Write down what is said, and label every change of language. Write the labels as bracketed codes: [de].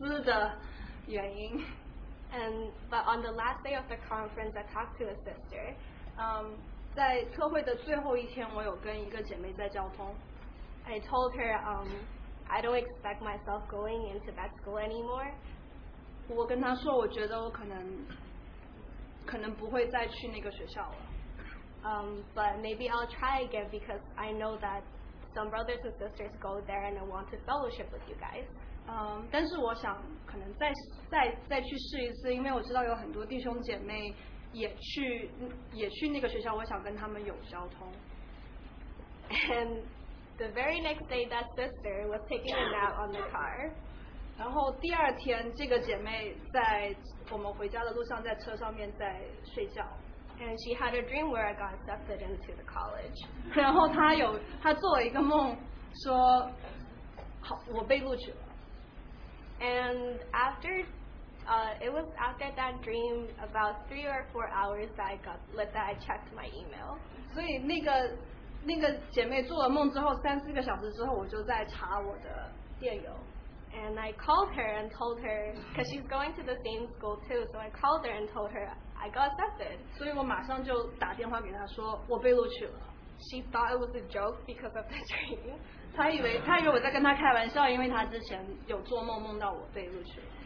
[zh] 当初我想转到这个学校是因为一些比较自私的原因。 [en] And but on the last day of the conference, I talked to a sister. [zh] 在特会的最后一天，我有跟一个姐妹在交通。 [en] I told her I don't expect myself going into vet school anymore. [zh] 我跟她说，我觉得我可能不会再去那个学校了。 [en] But maybe I'll try again because I know that some brothers and sisters go there and I want to fellowship with you guys. [zh] 但是我想可能再去试一次，因为我知道有很多弟兄姐妹也去那个学校，我想跟他们有交通。 [en] And the very next day, that sister was taking a nap on the car. [zh] 然后第二天，这个姐妹在我们回家的路上，在车上面在睡觉。 [en] And she had a dream where I got accepted into the college. [zh] 然后她做了一个梦，说好，我被录取了。 [en] And after, it was after that dream, about 3 or 4 hours that I checked my email. [zh] 所以那个姐妹做了梦之后，三四个小时之后，我就在查我的电邮。 [en] And I called her and told her, because she's going to the same school too, so I called her and told her I got accepted. [zh] 所以我马上就打电话给她说，我被录取了。 [en] She thought it was a joke because of the dream. [zh] 她以为我在跟她开玩笑，因为她之前有做梦梦到我被录取。